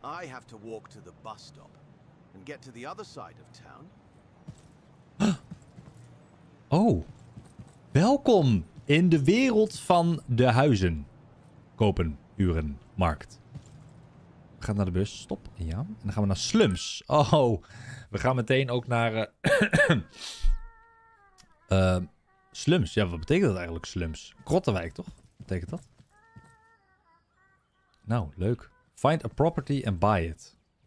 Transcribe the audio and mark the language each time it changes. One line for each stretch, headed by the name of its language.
English: I have to walk to the bus stop and get to the other side of town. Oh.
Dutch: Welkom in de wereld van de huizen. Kopen, huren, markt. We gaan naar de bus. Stop. Ja. En dan gaan we naar slums. Oh. We gaan meteen ook naar slums. Ja, wat betekent dat eigenlijk, slums? Krottenwijk, toch? Wat betekent dat? Nou, leuk.
English: Find a property and buy it.